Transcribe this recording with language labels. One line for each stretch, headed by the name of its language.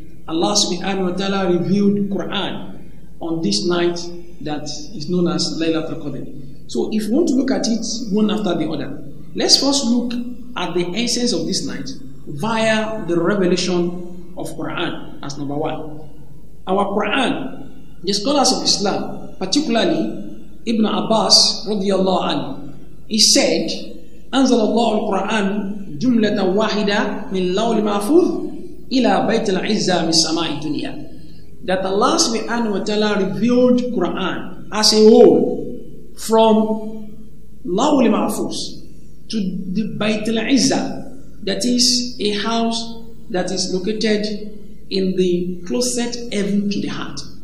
English: Allah subhanahu wa ta'ala revealed Quran on this night that is known as Laylatul Qadr. So if we want to look at it one after the other, let's first look at the essence of this night via the revelation of Quran as number one. Our Quran, the scholars of Islam, particularly Ibn Abbas radiallahu anhu, he said,
Arabic: أنزل الله القرآن جملة واحدة من لول محفوظ إلى بيت العزة من سماء الدنيا.
English: That Allah subhanahu wa ta'ala revealed Quran as a whole from lawl mahfuz to the Bayt al-Izzah, that is a house that is located in the closest heaven to the heart.